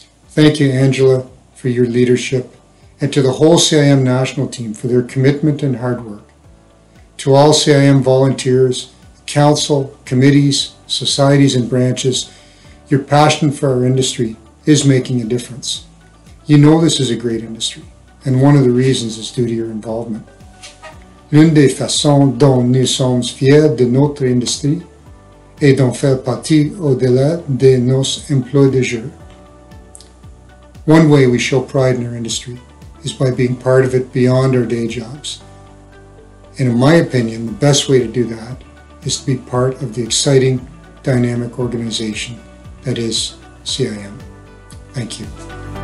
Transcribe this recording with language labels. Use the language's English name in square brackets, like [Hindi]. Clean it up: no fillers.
[English] Thank you, Angela, for your leadership, and to the whole CIM National Team for their commitment and hard work. To all CIM volunteers, council, committees, societies, and branches, your passion for our industry is making a difference. You know this is a great industry, and one of the reasons is due to your involvement. [French] L'une des façons dont nous sommes fiers de notre industrie est d'en faire partie au-delà de nos emplois de jeu. [English] One way we show pride in our industry is by being part of it beyond our day jobs. And in my opinion, the best way to do that is to be part of the exciting, dynamic organization that is CIM. Thank you.